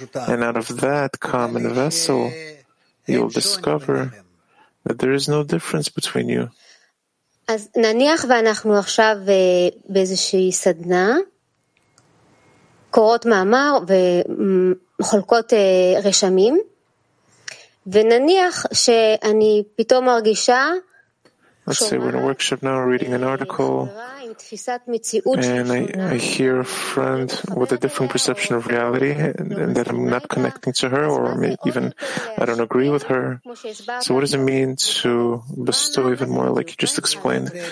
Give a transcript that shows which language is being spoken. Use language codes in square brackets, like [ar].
[en] And out of that common vessel, you'll discover that there is no difference between you. [he] ונניח שאני פתאום מרגישה [en] Let's say we're in a workshop now, reading an article, and I hear a friend with a different perception of reality, and that I'm not connecting to her, or even I don't agree with her. So what does it mean to bestow even more, like you just explained?